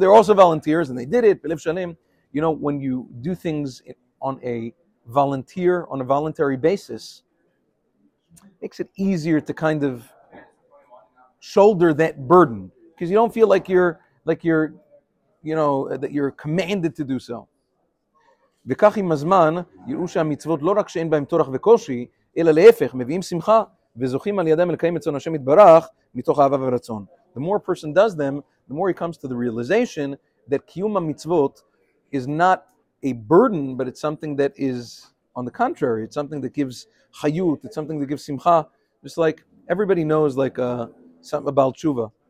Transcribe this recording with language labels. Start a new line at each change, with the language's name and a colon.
English: They're also volunteers, and they did it.
Hebrew: B'lev shalem.
English: You know, when you do things on a volunteer, on a voluntary basis, it makes it easier to kind of shoulder that burden. Because you don't feel like you're, you know, that you're commanded to do so.
Hebrew: וכך עם הזמן, יראו שהמצוות לא רק שאין בהם תורך וקושי, אלא להפך, מביאים שמחה, וזוכים על ידם לקיים את צון השם יתברך, מתוך אהבה ורצון.
English: The more a person does them, the more he comes to the realization that קיום המצוות is not a burden, but it's something that is, on the contrary, it's something that gives chayut, it's something that gives שמחה. Just like, everybody knows like something about תשובה.